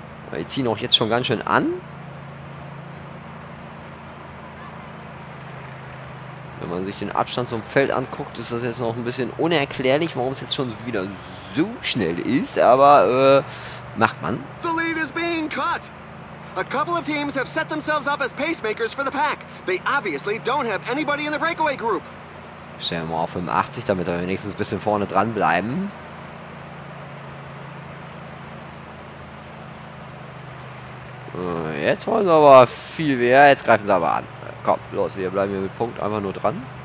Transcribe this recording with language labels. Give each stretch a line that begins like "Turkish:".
German: Wir ziehen auch jetzt schon ganz schön an. Wenn man sich den Abstand zum Feld anguckt, ist das jetzt noch ein bisschen unerklärlich, warum es jetzt schon wieder so schnell ist. Aber macht man.
English: The lead is being cut. A couple of teams have set themselves up as pacemakers for the pack. They obviously don't have anybody in the breakaway group.
German: Stellen wir mal auf 85, damit wir wenigstens ein bisschen vorne dran bleiben. Jetzt wollen sie aber viel mehr. Jetzt greifen sie aber an. Komm, los, wir bleiben hier mit Punkt einfach nur dran.